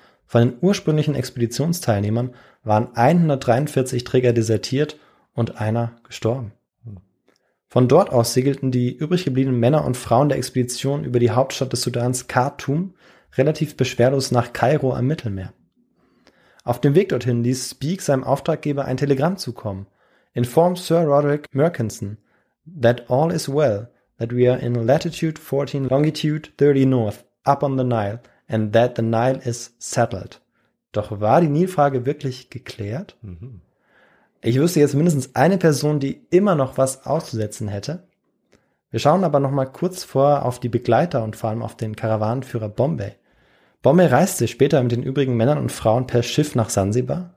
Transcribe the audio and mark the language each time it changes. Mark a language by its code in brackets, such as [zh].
[de] Von den ursprünglichen Expeditionsteilnehmern waren 143 Träger desertiert und einer gestorben. Von dort aus segelten die übrig gebliebenen Männer und Frauen der Expedition über die Hauptstadt des Sudans Khartoum relativ beschwerlos nach Kairo am Mittelmeer. Auf dem Weg dorthin ließ Speke seinem Auftraggeber ein Telegramm zukommen. [en] Inform Sir Roderick Murchison that all is well, that we are in latitude 14, longitude 30 north, up on the Nile, and that the Nile is settled. [de] Doch war die Nilfrage wirklich geklärt? Ich wüsste jetzt mindestens eine Person, die immer noch was auszusetzen hätte. Wir schauen aber noch mal kurz vor auf die Begleiter und vor allem auf den Karawanenführer Bombay. Bombay reiste später mit den übrigen Männern und Frauen per Schiff nach Sansibar.